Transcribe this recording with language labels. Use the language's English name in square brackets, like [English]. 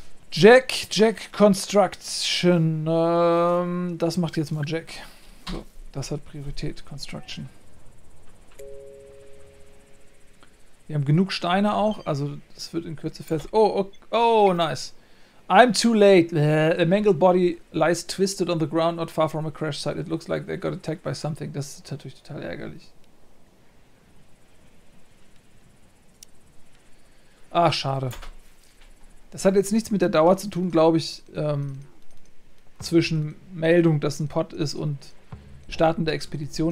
[German] Jack Construction. Das macht jetzt mal Jack. So, das hat Priorität, Construction. Wir haben genug Steine auch, also das wird in Kürze fest. [English] Oh, okay. Oh, nice. I'm too late. A mangled body lies twisted on the ground not far from a crash site. It looks like they got attacked by something. [German] Das ist natürlich total ärgerlich. Ah, schade. Das hat jetzt nichts mit der Dauer zu tun, glaube ich, zwischen Meldung, dass ein Pott ist, und Starten der Expedition.